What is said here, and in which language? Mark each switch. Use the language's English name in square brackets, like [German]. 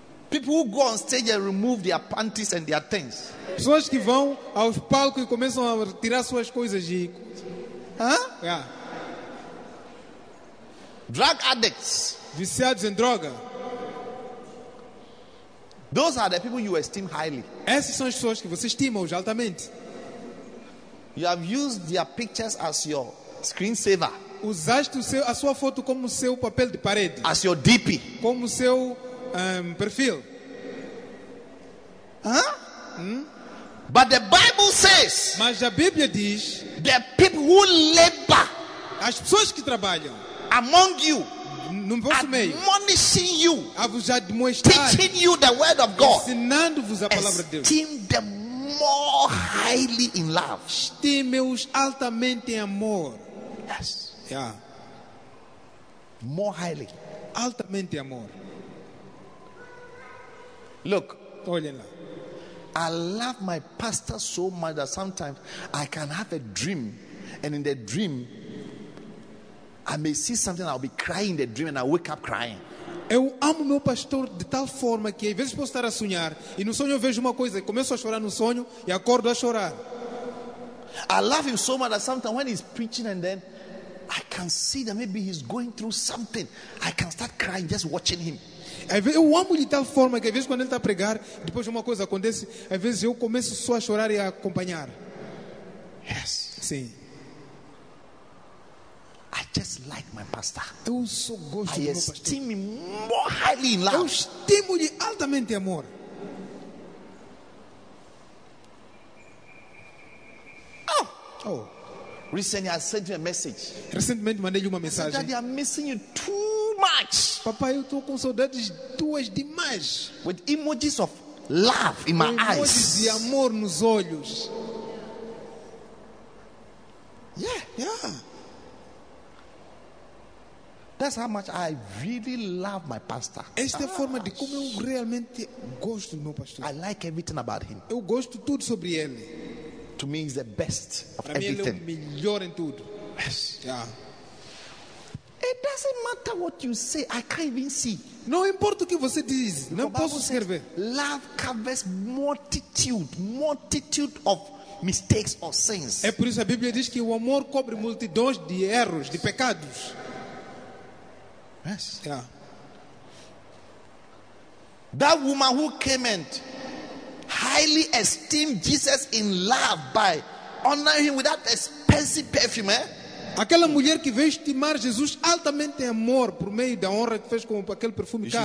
[English] People who go on stage and remove their panties and their things. [Portuguese] Pessoas que vão ao palco e começam a tirar suas coisas de. [English] Yeah. Drug addicts. [Portuguese] Viciados em droga. [English] Those are the people you esteem highly. [Portuguese] Essas são as pessoas que você estima hoje altamente. [English] You have used their pictures as your screensaver. [Portuguese] Usaste a sua foto como seu papel de parede. [English] As your DP. [Portuguese] Como seu perfil. [English] But the Bible says. [Portuguese] Mas a Bíblia diz. [English] The people who labor. [Portuguese] As pessoas que trabalham. [English] Among you. [Portuguese] No vosso meio, [English] admonishing you, [Portuguese] a vos admoestar, [English] teaching you the word of God, [Portuguese] ensinando-vos a palavra de Deus. [English] Esteem them more highly in love. [Portuguese] Esteme-os altamente em amor. [English] Yes. Yeah. More highly. [Portuguese] Altamente em amor. [English] Look. [Portuguese] Olhem lá. [English] I love my pastor so much that sometimes I can have a dream, and in the dream I may see something, I'll be crying in the dream, and I wake up crying. [Portuguese] Eu amo meu pastor de tal forma que às vezes posso estar a sonhar e no sonho eu vejo uma coisa e começo a chorar no sonho e acordo a chorar. [English] I love him so much that sometimes when he's preaching and then I can see that maybe he's going through something, I can start crying just watching him. [Portuguese] Eu amo de tal forma que às vezes quando ele está a pregar, depois de uma coisa acontece, às vezes eu começo só a chorar e a acompanhar. [English] Yes. [Portuguese] Sim. [English] I just like my pastor. [Portuguese] Eu sou gosto [English] I do esteem pastor. Him more highly in love. [Portuguese] Eu estimo-lhe altamente amor. [English] Oh. Recently I sent you a message. [Portuguese] Recentemente mandei-lhe uma mensagem. [English] I said, Daddy, I'm missing you too much. [Portuguese] Papai, eu estou com saudades tuas demais. [English] With emojis of love in my emojis eyes. [Portuguese] Emojis de amor nos olhos. [English] Yeah. Yeah. That's how much I really love my pastor. [Portuguese] Esta é a forma de como eu realmente gosto do meu pastor. [English] I like everything about him. [Portuguese] Eu gosto tudo sobre ele. [English] To me, he's the best of everything. [Portuguese] Para mim, ele é o melhor em tudo. [English] Yes. Yeah. It doesn't matter what you say. I can't even see. [Portuguese] Não importa o que você diz. Não posso escrever. [English] Love covers multitude of mistakes or sins. [Portuguese] É por isso a Bíblia diz que o amor cobre multidões de erros, de pecados. [English] Yes. Yeah. That woman who came and highly esteemed Jesus in love by honoring him with that expensive perfume. Eh? [Portuguese] Aquela mulher que veio estimar Jesus altamente em amor por meio da honra que fez com aquele perfume caro.